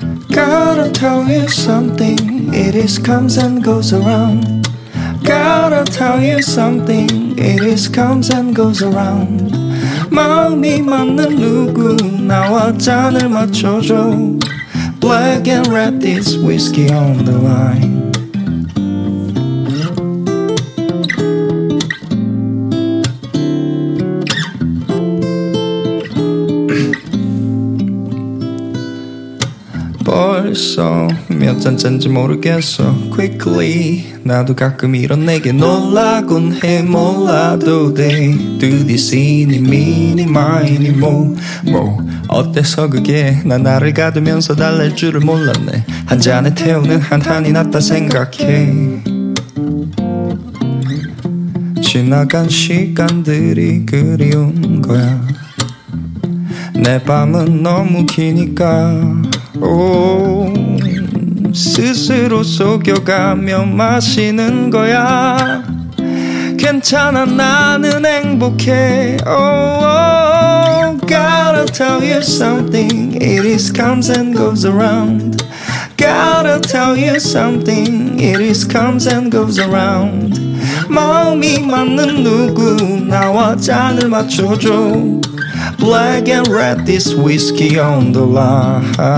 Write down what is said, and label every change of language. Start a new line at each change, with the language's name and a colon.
English: Gotta tell you something. It is comes and goes around. Gotta tell you something. It is comes and goes around.
Korean: 마음이 맞는 누구 나와 잔을 맞춰줘.
English: Black and red this whiskey on the line.
Korean: 벌써 몇 잔째인지 모르겠어. Quickly 나도 가끔 이런 내게 놀라곤 해. 몰라도 돼.
English: Do this in a mini mini mo mo.
Korean: 어때서 그게 난 나를 가두면서 달랠 줄을 몰랐네. 한 잔에 태우는 한 잔이 낫다 생각해. 지나간 시간들이 그리운 거야. 내 밤은 너무 기니까. 오, 스스로 속여가며 마시는 거야. 괜찮아, 나는 행복해.
English: Oh, oh, gotta tell you something. It is comes and goes around. Gotta tell you something. It is comes and goes around.
Korean: 마음이 맞는 누구 나와 잔을 맞춰줘.
English: Black and red this whiskey on the line.